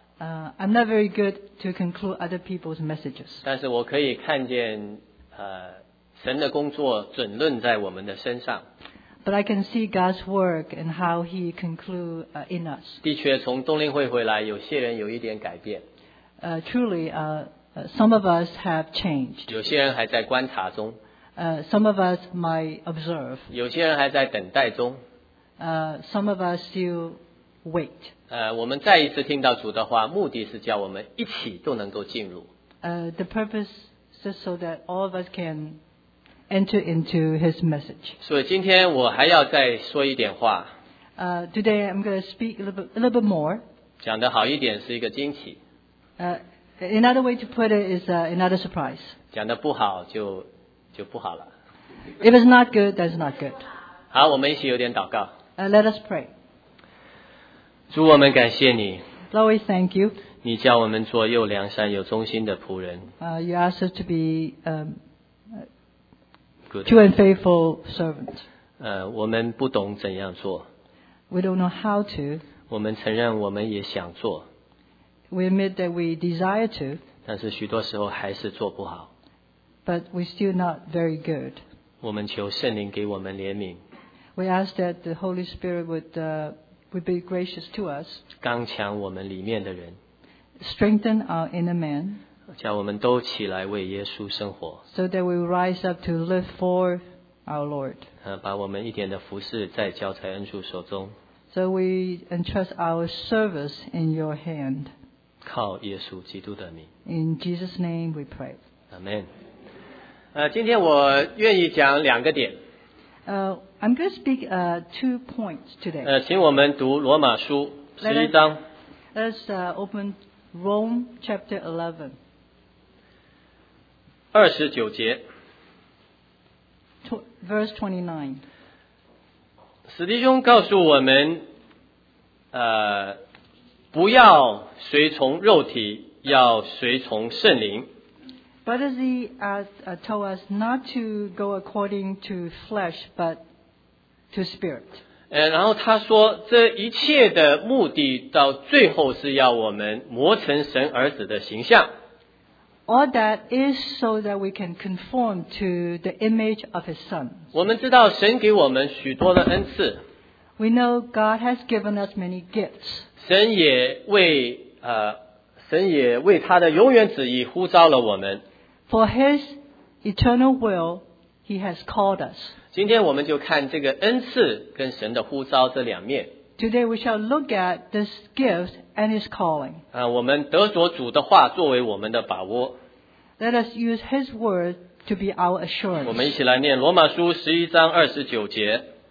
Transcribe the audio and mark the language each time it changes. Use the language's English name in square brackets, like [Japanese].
[English] I'm not very good to conclude other people's messages. [Chinese] 但是我可以看见 神的工作准论在我们的身上。 [English] But I can see God's work and how He conclude in us. [Chinese] 的确，从冬令会回来，有些人有一点改变。 [English] Truly, some of us have changed. [Chinese] 有些人还在观察中。 [English] Some of us might observe. [Chinese] 有些人还在等待中。 [English] Some of us still wait. [Chinese] 我们再一次听到主的话，目的是叫我们一起都能够进入。 [English] The purpose is so that all of us can enter into His message. [Chinese] 所以今天我还要再说一点话。 [English] Today I'm going to speak a little bit more. [Chinese] 讲得好一点是一个惊奇。 [English] Another way to put it is another surprise. [Chinese] 讲得不好就不好了。 [English] If it's not good, that's not good. [Chinese] 好，我们一起有点祷告。 [English] Let us pray. [Chinese] 主，我们感谢你。 [English] Lord, we thank you. [Chinese] 你叫我们做又良善又忠心的仆人。 [English] You ask us to be true and faithful servant. [Chinese] 我们不懂怎样做。 [English] We don't know how to. [Chinese] 我们承认我们也想做。 [English] We admit that we desire to. [Chinese] 但是许多时候还是做不好。 [English] But we're still not very good. [Chinese] 我们求圣灵给我们怜悯。 [English] We ask that the Holy Spirit would be gracious to us. [Chinese] 刚强我们里面的人。 [English] Strengthen our inner man. [Chinese] 叫我们都起来为耶稣生活。 [English] So that we rise up to live for our Lord. [Chinese] 把我们一点的服事再交在恩主手中。 [English] So we entrust our service in your hand. [Chinese] 靠耶稣基督的名。 [English] In Jesus' name we pray. [Chinese] Amen. 今天我愿意讲两个点。 [English] I'm going to speak two points today. [Chinese] 请我们读罗马书十一章。 [English] Let's open Rome chapter 11. [Chinese] 二十九节。 [English] Verse 29. [Chinese] 史弟兄告诉我们，不要随从肉体，要随从圣灵。 [English] Brother Z told us not to go according to flesh, but to spirit. [Chinese] 然后他说，这一切的目的到最后是要我们磨成神儿子的形象。 [English] All that is so that we can conform to the image of His Son. [Chinese] 我们知道神给我们许多的恩赐。 [English] We know God has given us many gifts. [Chinese] 神也为他的永远旨意呼召了我们。 [English] For His eternal will, He has called us. [Chinese] 今天我们就看这个恩赐跟神的呼召这两面。 [English] Today we shall look at this gift and His calling. [Chinese] 我们得着主的话作为我们的把握。 [English] Let us use His word to be our assurance. [Chinese] 我们一起来念罗马书十一章二十九节。